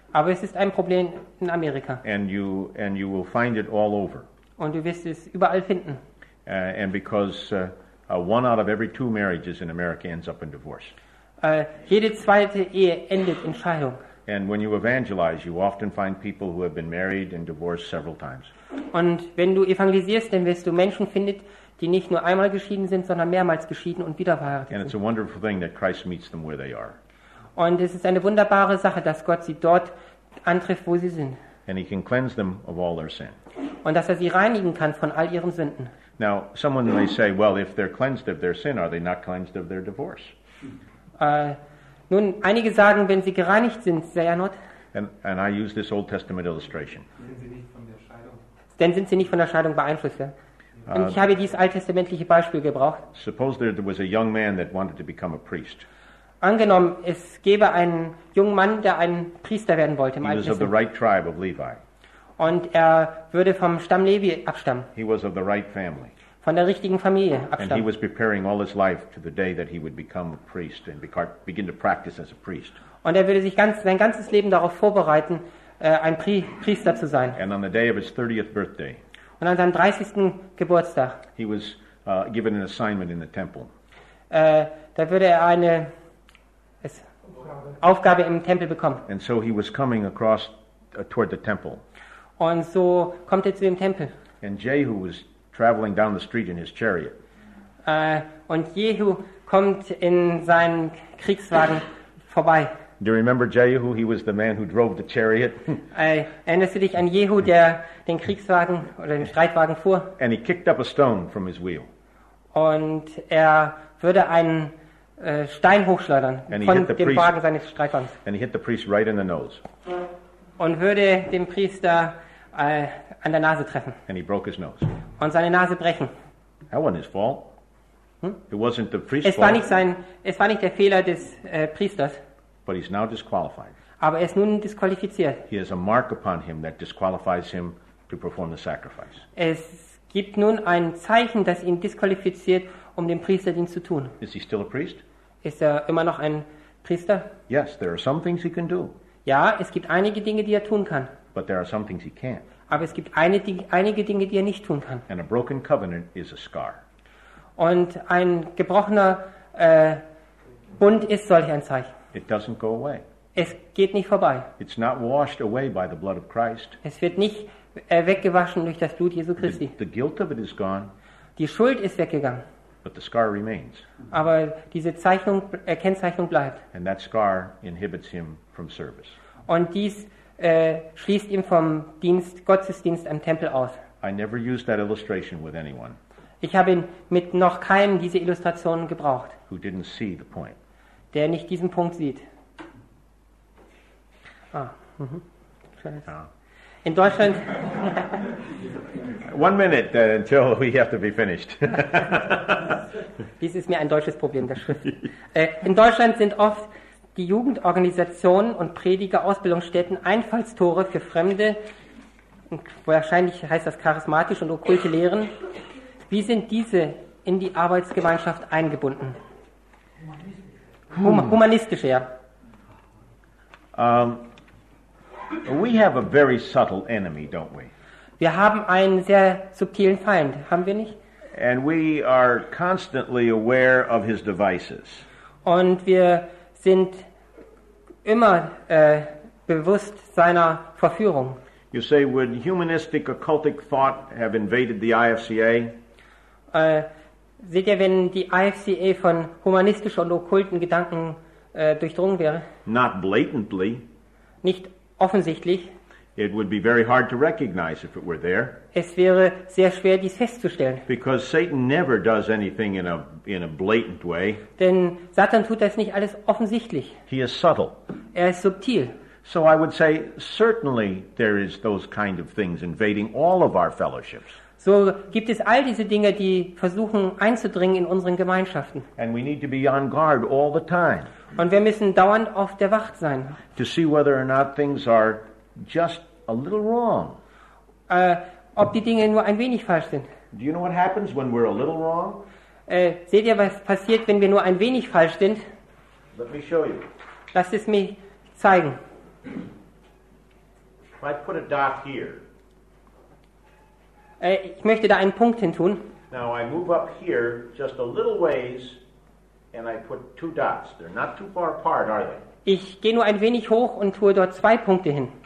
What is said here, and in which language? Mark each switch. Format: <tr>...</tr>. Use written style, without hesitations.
<de>Aber es ist ein Problem in Amerika.</de> <en>And you will find it all over.</en> <de>Und du wirst es überall finden.</de> <en>And because one out of every two marriages in America ends up in divorce.</en> <de>Jede zweite Ehe endet in Scheidung.</de> <en>And when you evangelize, you often find people who have been married and divorced several times.</en> <de>Und wenn du evangelisierst, dann wirst du Menschen finden, die nicht nur einmal geschieden sind, sondern mehrmals geschieden und wieder verheiratet sind.</de> <en>And it's a wonderful thing that Christ meets them where they are.</en> <de>Und es ist eine wunderbare Sache, dass Gott sie dort antrifft, wo sie sind.</de> <en>And he can cleanse them of all their sin.</en> <de>Und dass er sie reinigen kann von all ihren Sünden.</de> <en>Now, someone may say, well, if they're cleansed of their sin, are they not cleansed of their divorce?</en> <de>Nun, einige sagen, wenn sie gereinigt sind, sei ja not.</de> <en>And I use this Old Testament illustration.</en> <de>Denn sind sie nicht von der Scheidung beeinflusst, ja? Und ich habe dieses alttestamentliche Beispiel gebraucht.</de> <en>Suppose there was a young man that wanted to become a priest.</en> <de>Angenommen, es gäbe einen jungen Mann, der ein Priester werden wollte im Alten Testament. Und er würde vom Stamm Levi abstammen.</de> <en>He was of the right family.</en> <de>Von der richtigen Familie abstammen.</de> <en>And he was preparing all his life to the day that he would become a priest and begin to practice as a priest.</en> <de>Und er würde sich sein ganzes Leben darauf vorbereiten, ein Priester zu sein.</de> <en>And on the day of his 30th birthday.</en> <de>Und an seinem 30. Geburtstag.</de> <en>He was given an assignment in the temple.</en> <de>Da würde er eine Aufgabe im Tempel bekommen.</de> <en>And so he was coming across toward the temple.</en> <de>Und so kommt er zu dem Tempel.</de> <en>And Jehu was traveling down the street in his chariot.</en> <de>Und Jehu kommt in seinen Kriegswagen vorbei.</de> <en>Do you remember Jehu? He was the man who drove the chariot.</en> <de>Erinnerst du dich an Jehu, der den Kriegswagen oder den Streitwagen fuhr?</de> <en>And he kicked up a stone from his wheel.</en> <de>Und er würde einen Stein hochschleudern von dem Wagen seines Streitwagens.</de> <en>And he hit the priest right in the nose.</en> <de>Und würde den Priester an der Nase treffen.</de> <en>And he broke his nose.</en> <de>Und seine Nase brechen.</de> <en>That wasn't his fault. It wasn't the priest's fault.</en> <de>Es war nicht der Fehler des Priesters.</de> <en>But he's now disqualified.</en> <de>Aber er ist nun disqualifiziert.</de> <en>He has a mark upon him that disqualifies him to perform the sacrifice.</en> <de>Es gibt nun ein Zeichen, das ihn disqualifiziert, um den Priesterdienst zu tun.</de> <en>Is he still a priest?</en> <de>Ist er immer noch ein Priester?</de> <en>Yes, there are some things he can do.</en> <de>Ja, es gibt einige Dinge, die er tun kann.</de> <en>But there are some things he can't.</en> <de>Aber es gibt einige Dinge, die er nicht tun kann.</de> <en>And a broken covenant is a scar.</en> <de>Und ein gebrochener Bund ist solch ein Zeichen.</de> <en>It doesn't go away.</en> <de>Es geht nicht vorbei.</de> <en>It's not washed away by the blood of Christ.</en> <de>Es wird nicht weggewaschen durch das Blut Jesu Christi.</de> <en>The guilt of it is gone.</en> <de>Die Schuld ist weggegangen.</de> <en>But the scar remains.</en> <de>Aber diese Kennzeichnung bleibt.</de> <en>And that scar inhibits him from service.</en> <de>Und dies schließt ihn vom Dienst, Gottesdienst am Tempel aus.</de> <en>I never used that illustration with anyone.</en> <de>Ich habe mit noch keinem diese Illustration gebraucht.</de> <en>Who didn't see the point.</en> <de>Der nicht diesen Punkt sieht. In Deutschland.</de> <en>One minute until we have to be finished.</en> <de>Dies ist mir ein deutsches Problem der Schrift. In Deutschland sind oft die Jugendorganisationen und Predigerausbildungsstätten Einfallstore für fremde, wahrscheinlich heißt das charismatisch und okkulte Lehren. Wie sind diese in die Arbeitsgemeinschaft eingebunden? Humanistische, ja.</de> <en>We have a very subtle enemy, don't we?</en> <de>Wir haben einen sehr subtilen Feind, haben wir nicht?</de> <en>And we are constantly aware of his devices.</en> <de>Und wir sind immer bewusst seiner Verführung.</de> <en>You say, would humanistic occultic thought have invaded the IFCA?</en> <de>Seht ihr, wenn die IFCA von humanistischen und okkulten Gedanken durchdrungen wäre?</de> <en>Not blatantly.</en> <de>Nicht offensichtlich.</de> <en>It would be very hard to recognize if it were there.</en> <de>Es wäre sehr schwer, dies festzustellen.</de> <en>Because Satan never does anything in a blatant way.</en> <de>Denn Satan tut das nicht alles offensichtlich.</de> <en>He is subtle.</en> <de>Er ist subtil.</de> <en>So I would say, certainly there is those kind of things invading all of our fellowships.</en> <de>So gibt es all diese Dinge, die versuchen einzudringen in unseren Gemeinschaften.</de> <en>And we need to be on guard all the time.</en> <de>Und wir müssen dauernd auf der Wacht sein.</de> <en>To see whether or not things are just a little wrong.</en> <de>Ob die Dinge nur ein wenig falsch sind.</de> <en>Do you know what happens when we're a little wrong?</en> <de>Seht ihr, was passiert, wenn wir nur ein wenig falsch sind?</de> <en>Let me show you.</en> <de>Lasst es mich zeigen.</de> <en>If I put a dot here.</en> <de>Ich möchte da einen Punkt hin tun.</de> <en>Now I move up here just a little ways and I put two dots. They're not too far apart, are they?</en> <de>Ich gehe nur ein wenig hoch und tue dort zwei Punkte hin.</de>